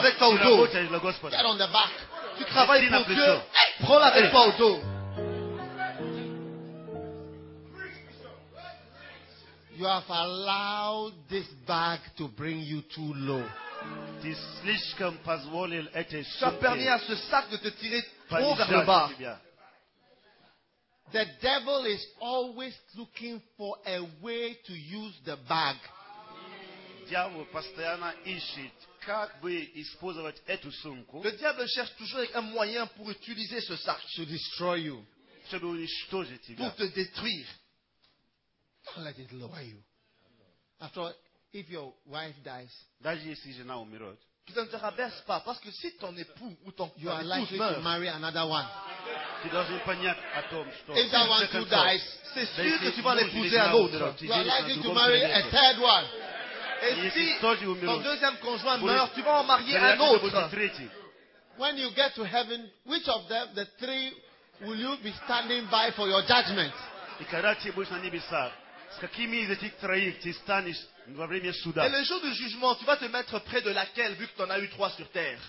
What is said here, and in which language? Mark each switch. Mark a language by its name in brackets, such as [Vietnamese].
[French] Avec ton dos. [English] Get on the back. [French] Tu travailles pour Dieu. Prends-la avec toi au dos. [English] You have allowed this bag to bring you too low. [French] Tu as permis à ce sac de te tirer trop vers le bas. [English] The devil is always looking for a way to use the bag. [Russian] Дьявол постоянно ищет, как бы использовать эту сумку. [French] Le diable cherche toujours un moyen pour utiliser ce sac. [English] To destroy you. [Russian] Чтобы уничтожить тебя. [French] Pour te détruire. [English] Don't let it lower you. After all, if your wife dies, [Russian] даже если жена умирает, [French] Tu ne te rabaisse pas parce que si ton époux ou ton [English] you are likely to marry another one. He doesn't panic at home. If that one too dies, [French] c'est sûr que tu vas l'épouser à l'autre. [English] You are likely to marry a third one. [French] Et si ton deuxième conjoint meurt, tu vas en marier un autre. [English] When you get to heaven, which of them, the three, will you be standing by for your judgment? [French] Et le jour du jugement, tu vas te mettre près de laquelle, vu que tu en as eu trois sur terre?